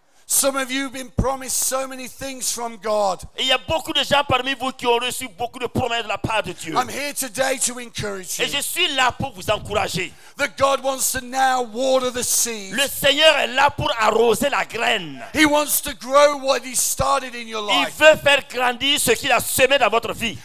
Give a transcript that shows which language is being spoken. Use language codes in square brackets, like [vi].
[en] Some of you have been promised so many things from God. [fr] Il y a beaucoup de gens parmi vous qui ont reçu beaucoup de promesses de la part de Dieu. [en] I'm here today to encourage you. [fr] Et je suis là pour vous encourager. [en] That God wants to now water the seed. [fr] Le Seigneur est là pour arroser la graine. [en] He wants to grow what he started in your life. [fr] Il veut faire grandir ce qu'il a semé dans votre vie.